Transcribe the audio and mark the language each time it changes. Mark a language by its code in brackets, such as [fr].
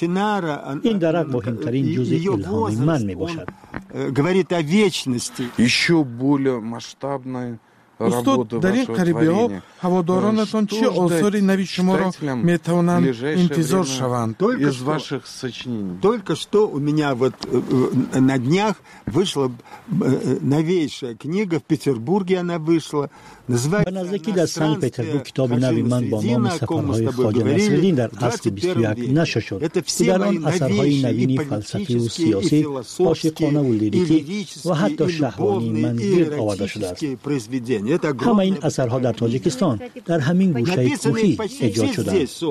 [tg] Ин дарах муҳимтарин ҷузъи илҳоми ман мебошад. [ru] Говорит о вечности. Ещё более масштабная работа. [tg] Что дар ин қарибиҳо ҳаводоронатон чи осори нави шуморо метавонанд интизор шаванд [ru] из ваших сочинений? Только что у меня вот на днях вышла новейшая книга в Петербурге, она вышла. Называется она [tg] "Закида Санкт-Петербург китоби нави ман ба номи сафарҳои Хоҷа Насириддин дар асри 21 нашр шуд". Ки дар он асарҳои навини фалсафӣ ва сиёсӣ, ошиқона ва лирикӣ ва ҳатто шаҳвонии ман гирд оварда шудааст. Ҳама ин асарҳо дар Тоҷикистон, дар ҳамин гӯшаи кӯҳӣ эҷод шудаанд.